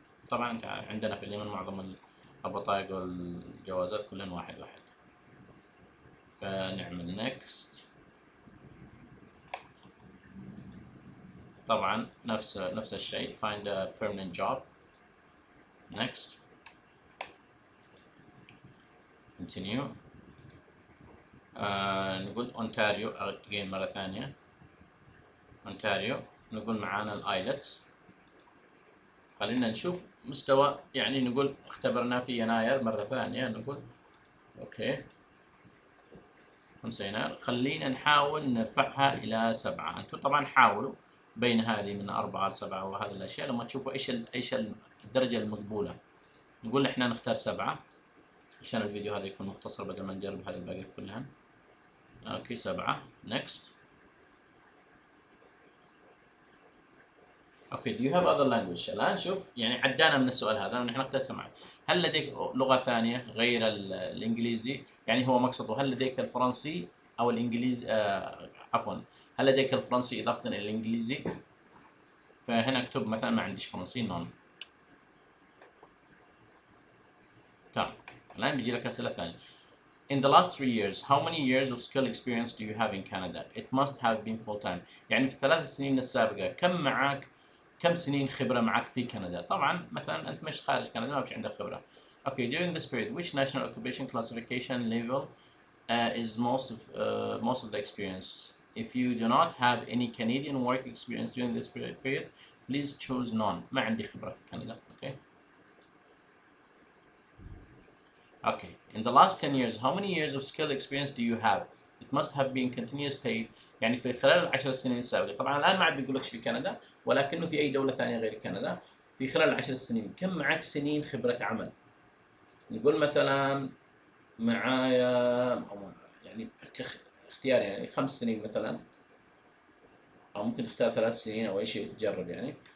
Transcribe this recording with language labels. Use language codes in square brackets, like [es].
[ar] طبعا انت عندنا في اليمن معظم البطايق والجوازات كلهم 1 1، فنعمل next. طبعا نفس الشيء، [en] find a permanent job، next، continue. [ar] نقول اونتاريو again مرة ثانية، اونتاريو نقول معانا الايلتس. خلينا نشوف مستوى، يعني نقول اختبرنا في يناير مرة ثانية، نقول اوكي 5 يناير، خلينا نحاول نرفعها الى 7. انتم طبعا حاولوا بين هذه من 4 ل 7 وهذه الاشياء، لما تشوفوا ايش الدرجة المقبولة. نقول احنا نختار 7 عشان الفيديو هذا يكون مختصر بدل ما نجرب هذه الباقي كلها. اوكي 7، نكست. اوكي، دو يو هاف اذر لانجويج؟ الان شوف يعني عدانا من السؤال هذا، لان احنا اختار 7، هل لديك لغه ثانيه غير الانجليزي؟ يعني هو مقصده هل لديك الفرنسي او الانجليزي، عفوا هل لديك الفرنسي اضافه الى الانجليزي؟ فهنا اكتب مثلا ما عنديش فرنسي، نون. الآن بيجي لك أسئلة ثانية. [en] In the last three years, how many years of skill experience do you have in Canada? It must have been full time. [ar] يعني في الثلاث سنين السابقة كم معك، كم سنين خبرة معك في كندا؟ طبعا مثلا أنت مش خارج كندا ما فيش عندك خبرة. [en] Okay, during this period, which national occupation classification level is most of the experience? If you do not have any Canadian work experience during this period, please choose none. [ar] ما عندي خبرة في كندا. Okay. [en] Okay. In the last 10 years, how many years of skill experience do you have? It must have been continuous paid. [ar] يعني في خلال العشر سنين السابقة. طبعا الآن ما عاد بيقول لك في كندا، ولكنه في أي دولة ثانية غير كندا. في خلال العشر سنين، كم معك سنين خبرة عمل؟ نقول مثلا معايا يعني اختيار يعني خمس سنين مثلا، أو ممكن تختار ثلاث سنين أو أي شيء تجرب يعني.